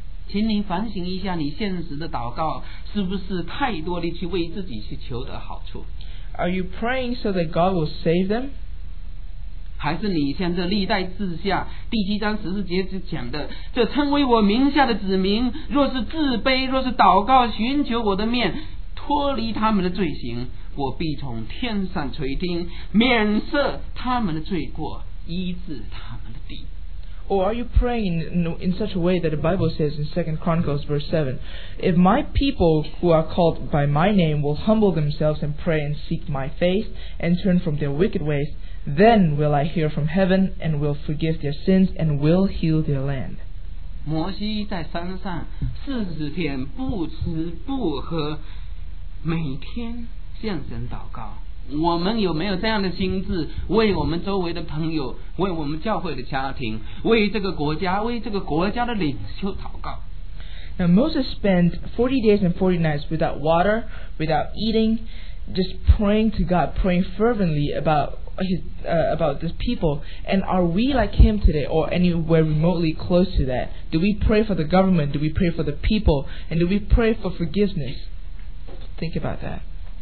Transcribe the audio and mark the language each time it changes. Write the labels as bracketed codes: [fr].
[zh] 请您反省一下，你现实的祷告是不是太多的去为自己去求得好处？ [en] Are you praying so that God will save them? [zh] 还是你像这历代志下第七章十四节之讲的，这称为我名下的子民，若是自卑，若是祷告寻求我的面，脱离他们的罪行，我必从天上垂听，免赦他们的罪过，医治他们的地。 [en] Or are you praying in such a way that the Bible says in 2 Chronicles verse 7, If my people who are called by my name will humble themselves and pray and seek my face and turn from their wicked ways, then will I hear from heaven and will forgive their sins and will heal their land. [zh] 摩西在山上40天不吃不喝，每天向神祷告，我们有没有这样的心智，为我们周围的朋友，为我们教会的家庭，为这个国家，为这个国家的领袖祷告。 [en] Now Moses spent 40 days and 40 nights without water, without eating, just praying to God, praying fervently about this people. And are we like him today, or anywhere remotely close to that? Do we pray for the government? Do we pray for the people? And do we pray for forgiveness? Think about that.